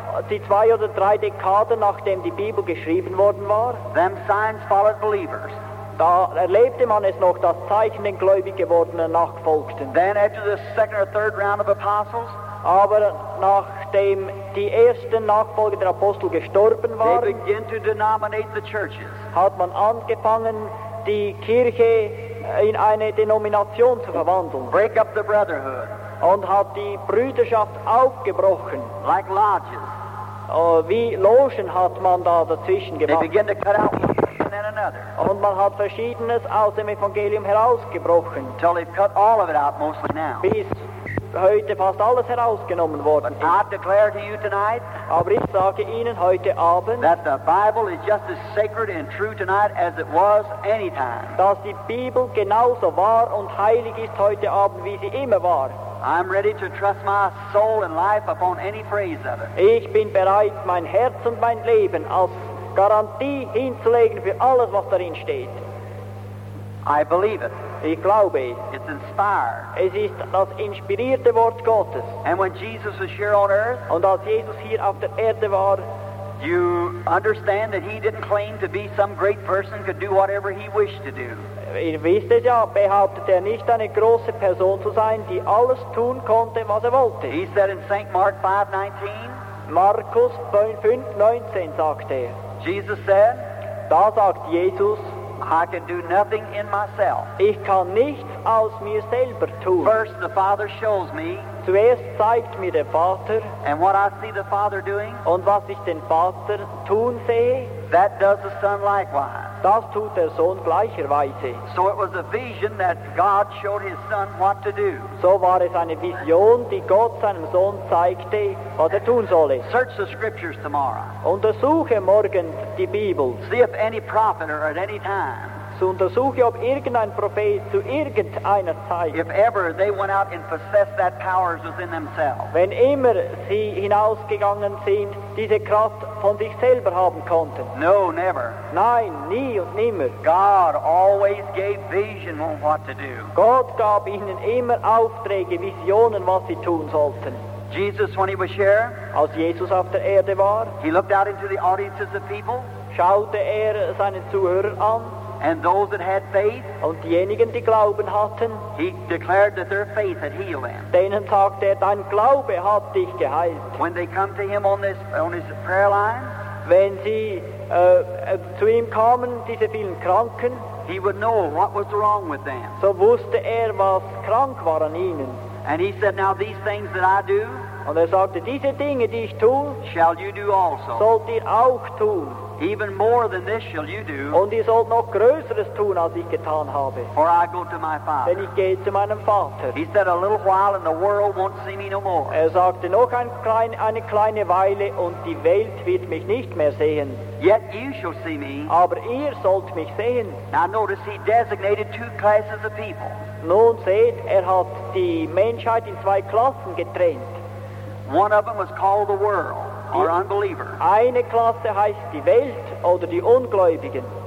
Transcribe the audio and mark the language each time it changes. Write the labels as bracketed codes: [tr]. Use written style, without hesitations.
[de] Die zwei oder drei Dekaden, nachdem die Bibel geschrieben worden war. [en] Them signs followed believers. [de] Da erlebte man es noch, dass Zeichen den gläubig gewordenen nachfolgten. [en] Then after the second or third round of apostles. [de] Aber nachdem die ersten Nachfolger der Apostel gestorben waren, [en] they begin to denominate the churches. [de] Hat man angefangen, die Kirche in eine Denomination zu verwandeln. [en] Break up the brotherhood. [de] Und hat die Brüderschaft aufgebrochen. [en] Like lodges. [de] Wie Logen hat man da dazwischen gemacht. [en] They begin to cut out one and another. [de] Und man hat Verschiedenes aus dem Evangelium herausgebrochen. [en] Until they've cut all of it out mostly now. [de] Bis heute fast alles herausgenommen worden ist. [en] I declare to you tonight, [de] aber ich sage Ihnen heute Abend, [en] that the Bible is just as sacred and true tonight as it was anytime. [de] Dass die Bibel genauso wahr und heilig ist heute Abend, wie sie immer war. [en] I'm ready to trust my soul and life upon any phrase of it. [de] Ich bin bereit, mein Herz und mein Leben als Garantie hinzulegen für alles, was darin steht. [en] I believe it. [de] Ich glaube es. [en] It's inspired. [de] Es ist das inspirierte Wort Gottes. [en] And when Jesus was here on earth, [de] und als Jesus hier auf der Erde war, [en] you understand that he didn't claim to be some great person, could do whatever he wished to do. [de] Ihr wisst es ja, behauptet er nicht, eine große Person zu sein, die alles tun konnte, was er wollte. [en] He said in St. Mark 5:19, [de] Markus 5:19 sagte er, [en] Jesus said, [de] da sagt Jesus, [en] I can do nothing in myself. [de] Ich kann nichts aus mir selber tun. [en] First the Father shows me. [de] Zuerst zeigt mir der Vater. [en] And what I see the Father doing. [de] Und was ich den Vater tun sehe. [en] That does the Son likewise. [de] Das tut der Sohn gleicherweise. [en] So it was a vision that God showed his Son what to do. [de] So war es eine Vision, die Gott seinem Sohn zeigte, was er tun solle. [en] Search the scriptures tomorrow. [de] Untersuche morgen die Bibel. [en] See if any prophet or at any time. [de] So untersuche, ob irgendein Prophet zu irgendeiner Zeit. [en] If ever they went out and possessed that powers within themselves. [de] Wenn immer sie hinausgegangen sind, diese Kraft von sich selber haben konnten. [en] No, never. [de] Nein, nie und nimmer. [en] God always gave vision on what to do. [de] Gott gab ihnen immer Aufträge, Visionen, was sie tun sollten. [en] Jesus, when he was here, [de] als Jesus auf der Erde war, [en] he looked out into the audiences of people, [de] schaute er seinen Zuhörern an, [en] and those that had faith, [de] und diejenigen, die Glauben hatten, [en] he declared that their faith had healed them. [de] Denen sagte er, dein Glaube hat dich geheilt. [en] When they come to him on his prayer line, [de] wenn sie zu ihm kamen, diese vielen Kranken, [en] he would know what was wrong with them. [de] So wusste er, was krank war an ihnen. [en] And he said, now these things that I do, [de] und er sagte, diese Dinge, die ich tue, [en] shall you do also. [de] Sollt ihr auch tun. [en] Even more than this shall you do. [de] Und ihr sollt noch Größeres tun, als ich getan habe. [en] For I go to my Father. [de] Denn ich gehe zu meinem Vater. [en] He said, a little while and the world won't see me no more. [de] Er sagte, noch eine kleine Weile und die Welt wird mich nicht mehr sehen. [en] Yet you shall see me. [de] Aber ihr sollt mich sehen. [en] Now notice he designated two classes of people. [de] Nun seht, er hat die Menschheit in zwei Klassen getrennt. [en] One of them was called the world. Or unbeliever. [de] Eine Klasse heißt die Welt oder die Ungläubigen.